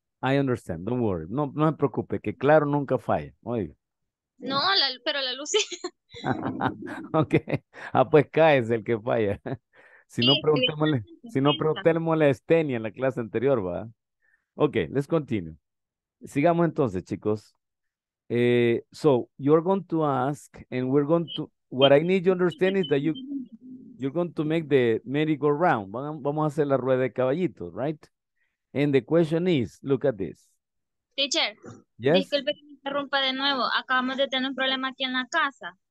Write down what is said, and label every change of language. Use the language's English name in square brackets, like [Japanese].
[English] I understand, don't worry. [Spanish] No me preocupe, que claro nunca falla. Oiga. No, pero la luz sí. Ok. Ah, pues caes el que falla. Si no preguntémosle a Estenia en la clase anterior, ¿va? [English] Ok, let's continue. [Spanish] Sigamos entonces, chicos. [English] So, you're going to ask, and we're going to. What I need to understand is that you're going to make the merry-go-round. [Spanish] Vamos a hacer la rueda de caballitos, right? [English] And the question is, look at this. [Spanish] Teacher, yes? Disculpe que me interrumpa de nuevo. Acabamos de tener un problema aquí en la casa.